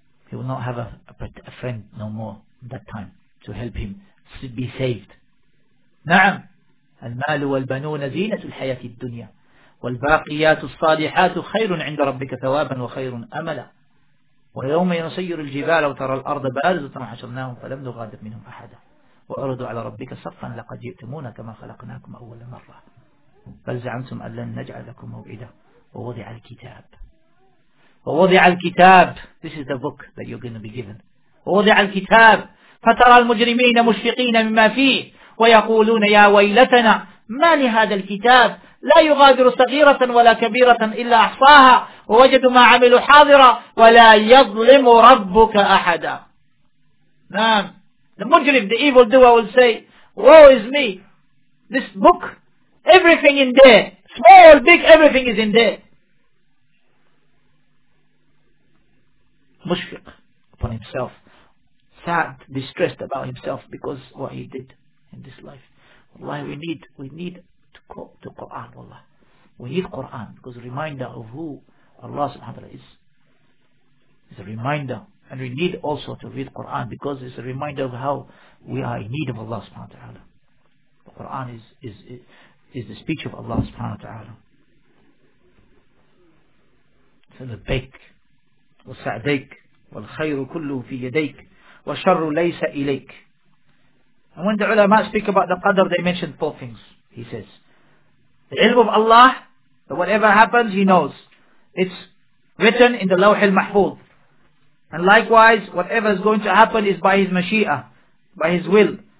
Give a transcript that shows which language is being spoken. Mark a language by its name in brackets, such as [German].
[English] He will not have a friend no more at that time to help him be saved. [Arabic] نعم. المال والبنون زينة الحياة الدنيا والباقيات الصالحات خير عند ربك ثوابا وخير أملا ويوم ينصير الجبال وترى الأرض بارزة وحشرناهم فلم نغادر منهم أحدا وأردوا على ربك صفا لقد جئتمونا كما خلقناكم أول مرة بل زعمتم أن لن نجعل لكم موعدا ووضع الكتاب. ووضع الكتاب, [English] this is the book that you're going to be given. [Arabic] ووضع الكتاب فترى المجرمين مشفقين مما فيه ويقولون يا ويلتنا ما لهذا الكتاب لا يغادر صغيرة ولا كبيرة إلا أحصاها ووجدوا ما عملوا حاضرا ولا يظلم ربك أحدا. نعم. [English] The مجرم, the evil doer will say, woe is me, this book Everything in there. Small, big, everything is in there. Mushfiq upon himself. Sad, distressed about himself because what he did in this life. Wallahi, we need to call to Quran, wallah. We need Quran because a reminder of who Allah subhanahu wa ta'ala is. It's a reminder. And we need also to read Quran because it's a reminder of how we are in need of Allah subhanahu wa ta'ala. The Quran is the speech of Allah subhanahu wa ta'ala. So the bayk. [Arabic] وسعديك والخير كله في يديك وشر ليس إليك. [English] And when the ulama speak about the qadr, they mention four things. He says, the ilm of Allah, that whatever happens, He knows. It's written in the lawh al-mahfuz. And likewise, whatever is going to happen is by His mashia, by His will.